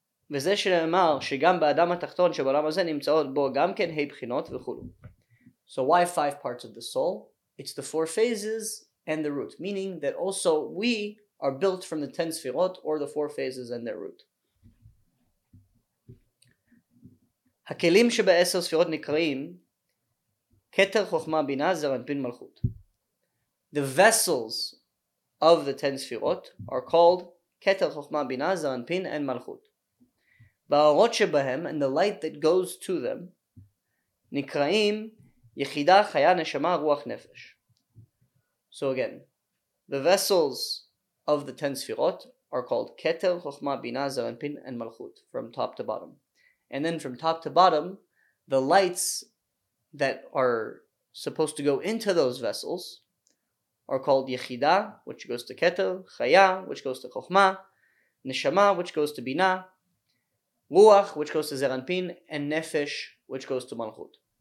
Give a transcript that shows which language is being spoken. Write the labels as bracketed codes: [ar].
[he] וזה שנאמר שגם באדם התחתון שבעולם הזה נמצאות בו גם כן היי בחינות וכו'. [en] So why five parts of the soul? It's the four phases and the root, meaning that also we are built from the 10 sefirot or the four phases and their root. [he] הכלים שבעשר ספירות נקראים כתר חוכמה בינה זרנפין מלכות. [en] The vessels of the 10 sefirot are called כתר חוכמה בינה זרנפין and מלכות. [he] והאורות שבהם, [en] and the light that goes to them, [he] נקראים יחידה חיה נשמה רוח נפש. [en] So again, the vessels of the 10 sefirot are called Keter, Chochma, Bina, Zerenpin, and Malchut, from top to bottom. And then from top to bottom, the lights that are supposed to go into those vessels are called Yechida, which goes to Keter, Chaya, which goes to Chochma, Neshama, which goes to Bina, Ruach, which goes to Zerenpin, and Nefesh, which goes to Malchut.